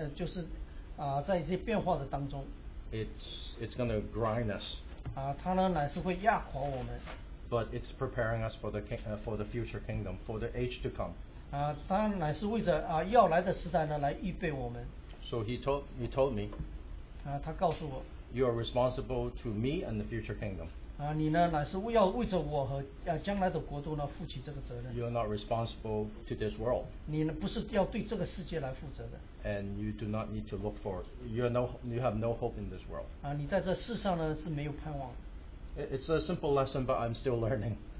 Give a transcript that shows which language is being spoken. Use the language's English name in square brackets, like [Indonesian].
[Chinese] 这些呢这个社会呢乃是就是在一些变化的当中。 [English] It's going to grind us. [Chinese] 它呢乃是会压垮我们。 [English] But it's preparing us for the future kingdom, for the age to come. [Chinese] 它乃是为着要来的时代呢来预备我们。 [English] So he told me. [Chinese] 他告诉我。 [English] You are responsible to me and the future kingdom. [Chinese] 你呢乃是要为着我和将来的国度呢负起这个责任。 [English] You are not responsible to this world. [Chinese] 你呢不是要对这个世界来负责的。 [English] And you do not need to look for. You have no hope in this world. [Chinese] 你在这世上呢是没有盼望。 [English] It's a simple lesson, but I'm still learning.